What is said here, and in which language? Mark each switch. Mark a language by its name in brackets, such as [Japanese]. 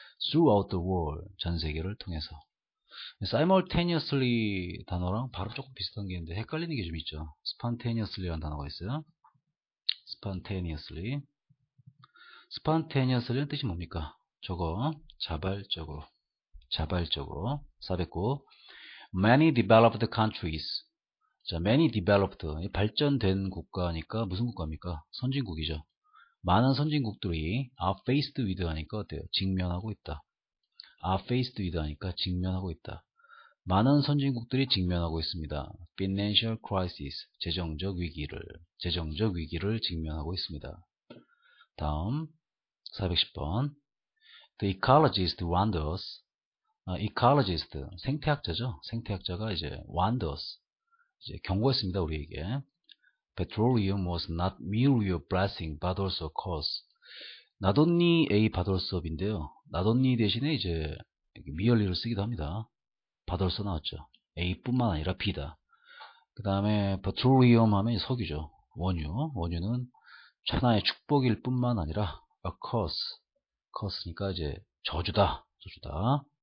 [English] Throughout the world, [Korean] 전 세계를 통해서. simultaneously 단어랑 바로 조금 비슷한 게 있는데 헷갈리는 게좀 있죠. spontaneously라는 단어가 있어요. spontaneously. spontaneously는 뜻이 뭡니까? 저거 자발적으로. 자발적으로. 409. [English] many developed countries. 자, many developed. [Korean] 발전된 국가니까 무슨 국가입니까? 선진국이죠. 많은 선진국들이 [English] are faced with [Korean] 하니까 어때요? 직면하고 있다. are faced with 하니까 직면하고 있다. 많은 선진국들이 직면하고 있습니다. [English] Financial crisis, [Korean] 재정적 위기를 직면하고 있습니다. 다음, 410번. The ecologist wonders, ecologist, 생태학자죠. 생태학자가 이제 wonders, 이제 경고했습니다. 우리에게. [English] Petroleum was not merely a blessing, but also a curse. Not only a, but also 인데요. [Korean] Not only 대신에 이제 merely를 쓰기도 합니다. 받을서 나왔죠. A뿐만 아니라 B다. 그 다음에 petroleum 하면 석유죠. 원유. 원유는 천하의 축복일 뿐만 아니라 [English] a curse. [Korean] curse니까 이제 저주다. 저주다.